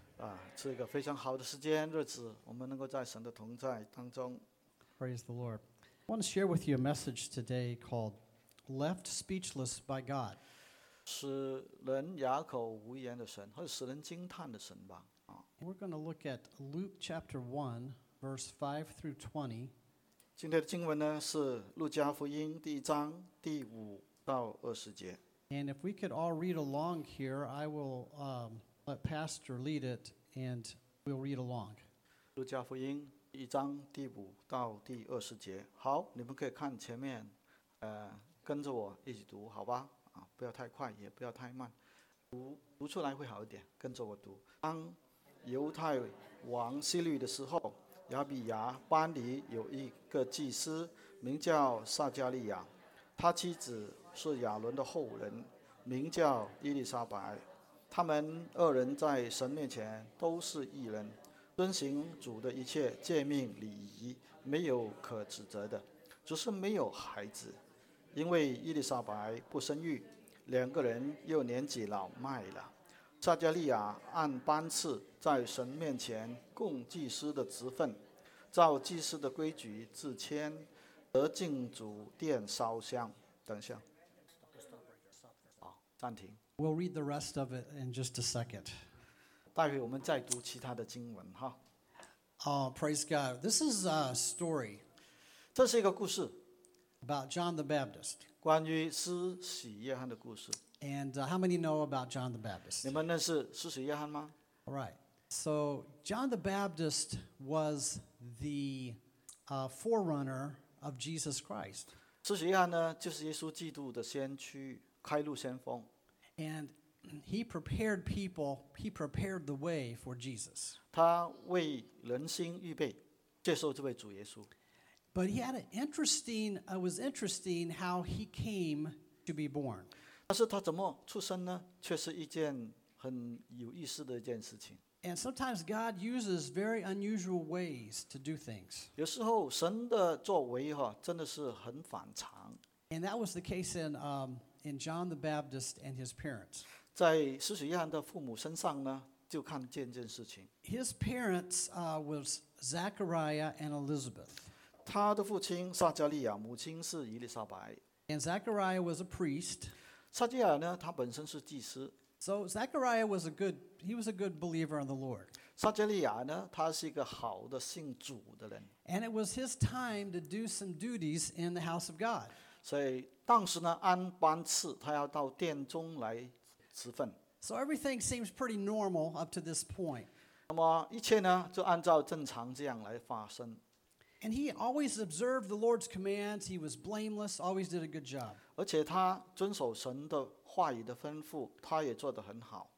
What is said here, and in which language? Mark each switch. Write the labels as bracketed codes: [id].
[zh] 啊，是一个非常好的时间日子，我们能够在神的同在当中。 [en] Praise the Lord. I want to share with you a message today called Left Speechless by God. [zh] 使人哑口无言的神，或者使人惊叹的神吧。 [en] We're going to look at Luke chapter 1, verse 5 through 20. [zh] 今天的经文呢，是路加福音第一章第五到二十节。 [en] And if we could all read along here, I will let Pastor lead it and we'll read along. [zh] 路加福音一章第五到第二十节。好，你们可以看前面，跟着我一起读好吧，啊，不要太快也不要太慢， 读出来会好一点，跟着我读。当犹太王希律的时候，亚比亚班里有一个祭司名叫撒加利亚，他妻子是亚伦的后人名叫伊丽莎白，他们二人在神面前都是义人，遵行主的一切诫命礼仪，没有可指责的，只是没有孩子，因为伊丽莎白不生育，两个人又年纪老迈了。撒加利亚按班次在神面前供祭司的职分，照祭司的规矩自谦，得进主殿烧香。等一下，好，暂停。 [en] We'll read the rest of it in just a second. [zh] 待会我们再读其他的经文哈。 [en] Praise God. This is a story. [zh] 这是一个故事。 [en] About John the Baptist. [zh] 关于施洗约翰的故事。 [en] And how many know about John the Baptist? [zh] 你们认识施洗约翰吗？ [en] All right. So John the Baptist was the forerunner of Jesus Christ. [zh] 施洗约翰呢，就是耶稣基督的先驱，开路先锋。 [en] And he prepared people. He prepared the way for Jesus. [zh] 他为人心预备，接受这位主耶稣。 [en] But he had an interesting, it was interesting how he came to be born. [zh] 但是他怎么出生呢？却是一件很有意思的一件事情。 [en] And sometimes God uses very unusual ways to do things. [zh] 有时候神的作为哈，真的是很反常。 [en] And that was the case in John the Baptist and his parents. [zh] 在施洗约翰的父母身上呢，就看见这件事情。 [en] His parents was Zechariah and Elizabeth. [zh] 他的父亲撒加利亚，母亲是伊丽莎白。 [en] And Zechariah was a priest. [zh] 撒加利亚呢，他本身是祭司。 [en] So Zechariah was a good believer in the Lord. [zh] 撒加利亚呢，他是一个好的信主的人。 [en] And it was his time to do some duties in the house of God. [zh] 所以当时呢，按班次，他要到殿中来侍奉。 [en] So everything seems pretty normal up to this point. [zh] 那么一切呢，就按照正常这样来发生。 [en] And he always observed the Lord's commands. He was blameless, always did a good job. [zh] 而且他遵守神的话语的吩咐，他也做得很好。